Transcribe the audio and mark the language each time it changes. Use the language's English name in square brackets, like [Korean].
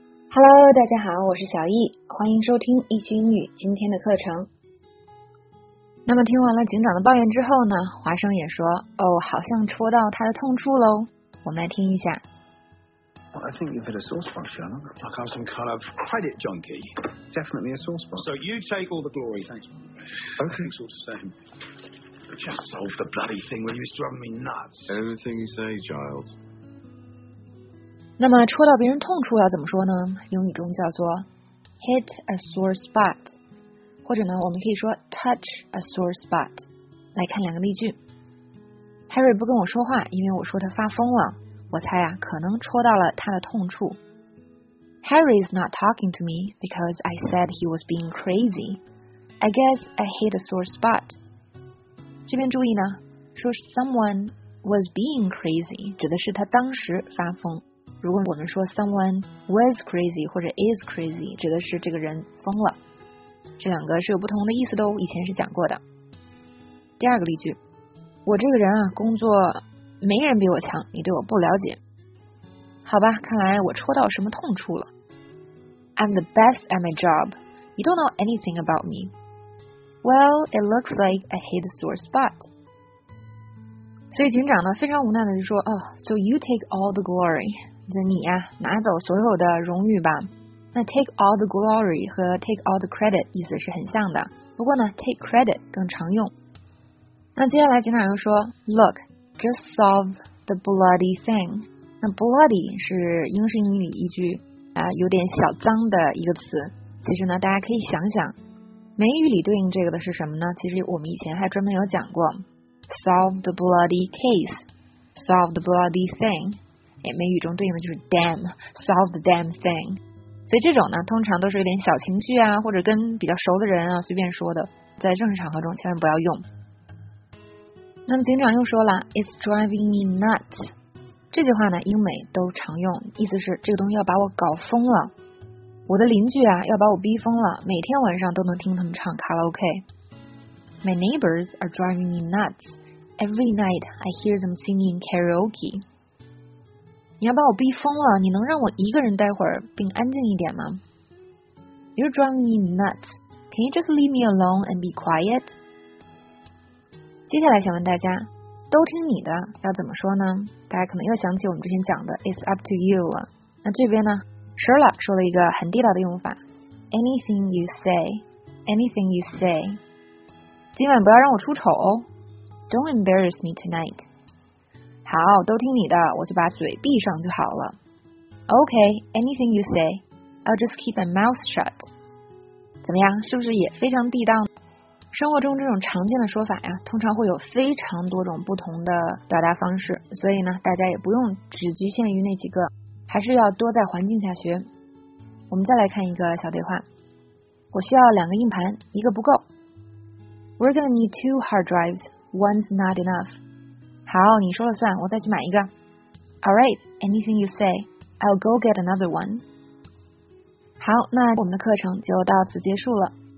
[English] Hello， [Chinese] 大家好，我是小易，欢迎收听易学英语今天的课程。那么听完了警长的抱怨之后呢，华生也说，哦，好像戳到他的痛处咯，我们来听一下。 [English] I think you've had a sore spot, Sharon. Like I'm some kind of credit junkie. Definitely a sore spot. So you take all the glory, thank you. Okay. Thanks all the same. Just solve the bloody thing when you're driving me nuts. Everything you say, Giles. [Chinese] 那么戳到别人痛处要怎么说呢？英语中叫做 [English] hit a sore spot， [Chinese] 或者呢，我们可以说 [English] touch a sore spot。 [Chinese] 来看两个例句 ：Harry 不跟我说话，因为我说他发疯了。我猜啊，可能戳到了他的痛处。 [English] Harry is not talking to me because I said he was being crazy. I guess I hit a sore spot. [Chinese] 这边注意呢，说 [English] someone was being crazy [Chinese] 指的是他当时发疯。如果我们说 [English] someone was crazy [Chinese] 或者 [English] is crazy， [Chinese] 指的是这个人疯了。这两个是有不同的意思的哦，以前是讲过的。第二个例句，我这个人啊，工作没人比我强，你对我不了解。好吧，看来我戳到什么痛处了。 [English] I'm the best at my job. You don't know anything about me. Well, it looks like I hit a sore spot. [Chinese] 所以警长呢，非常无奈的就说，哦、 [English] oh, ，So you take all the glory. [Chinese] 那你呀、啊，拿走所有的荣誉吧。那 [English] take all the glory [Chinese] 和 [English] take all the credit [Chinese] 意思是很像的，不过呢 ， [English] take credit [Chinese] 更常用。那接下来警长又说 ， [English] Look. Just solve the bloody thing. [Chinese] 那 bloody 是英式英语一句啊、有点小脏的一个词。其实呢，大家可以想想，美语里对应这个的是什么呢？其实我们以前还专门有讲过 ， [English] solve the bloody case, solve the bloody thing. [Chinese] 哎，美语中对应的就是 [English] damn, solve the damn thing. [Chinese] 所以这种呢，通常都是有点小情绪啊，或者跟比较熟的人啊随便说的，在正式场合中千万不要用。那么警长又说了 [English] It's driving me nuts [Chinese] 这句话呢英美都常用意思是这个东西要把我搞疯了我的邻居啊要把我逼疯了每天晚上都能听他们唱卡拉 OK [English] My neighbors are driving me nuts Every night I hear them singing karaoke [Chinese] 你要把我逼疯了你能让我一个人待会儿并安静一点吗 [English] You're driving me nuts Can you just leave me alone and be quiet? [Chinese] 接下来想问大家，都听你的要怎么说呢？大家可能又想起我们之前讲的 [English] "It's up to you" [Chinese] 了。那这边呢 ，Sherlock 说了一个很地道的用法 ： [English] "Anything you say, anything you say." [Chinese] 今晚不要让我出丑哦 ， [English] Don't embarrass me tonight. [Chinese] 好，都听你的，我就把嘴闭上就好了。 [English] Okay, anything you say, I'll just keep my mouth shut. [Chinese] 怎么样，是不是也非常地道呢？生活中这种常见的说法呀，通常会有非常多种不同的表达方式，所以呢，大家也不用只局限于那几个，还是要多在环境下学。我们再来看一个小对话，我需要两个硬盘，一个不够。 [English] We're gonna need two hard drives, one's not enough. [Chinese] 好，你说了算，我再去买一个。 [English] All right, anything you say, I'll go get another one. [Chinese] 好，那我们的课程就到此结束了。